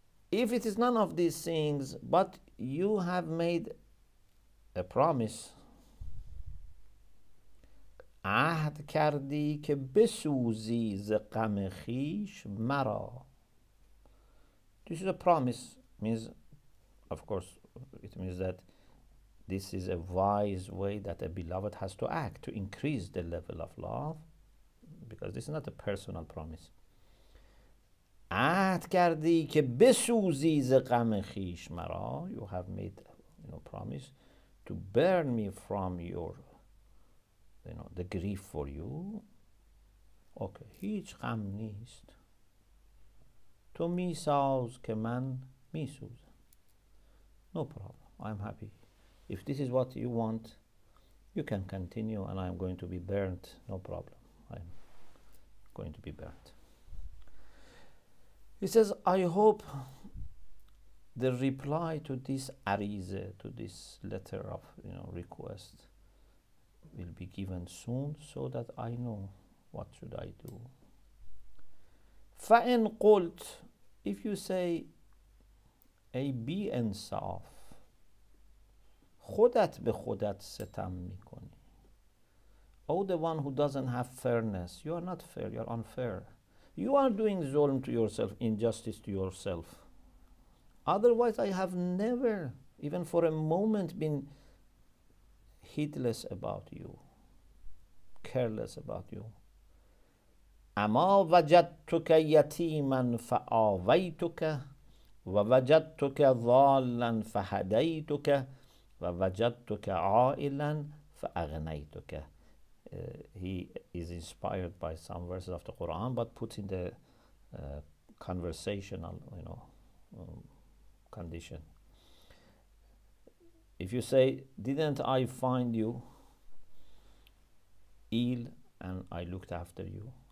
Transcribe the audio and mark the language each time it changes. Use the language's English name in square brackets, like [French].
[English] If it is none of these things, but you have made a promise, [Persian] عهد کردی که بسوزی ز غم خیش مرا. [English] This is a promise, means, of course, it means that this is a wise way that a beloved has to act to increase the level of love, because this is not a personal promise. [Persian] عهد کردی که بسوزی ز غم خیش مرا. [English] You have made, you know, promise to burn me from your, you know, the grief for you. [Persian] Okay, هیچ غم نیست. تو می ساز که من می سوزم. [English] No problem. I'm happy. If this is what you want, you can continue and I'm going to be burnt. No problem. I'm going to be burnt. He says, I hope the reply to this arize, to this letter of, you know, request will be given soon so that I know what should I do. [Arabic] فَإِنْ قُلْت, [English] if you say, [Persian] ای بی انصاف, خودت به خودت ستم میکنی. [English] Oh, the one who doesn't have fairness, you are not fair, you are unfair. You are doing zulm to yourself, injustice to yourself. Otherwise, I have never, even for a moment, been heedless about you, careless about you. [Arabic] اما وجدتك يتيما فآويتك ووجدتك ضالا فهديتك ووجدتك عائلا فأغنيتك. [English] He is inspired by some verses of the Quran, but puts in the conversational, you know, condition. If you say, didn't I find you ill and I looked after you?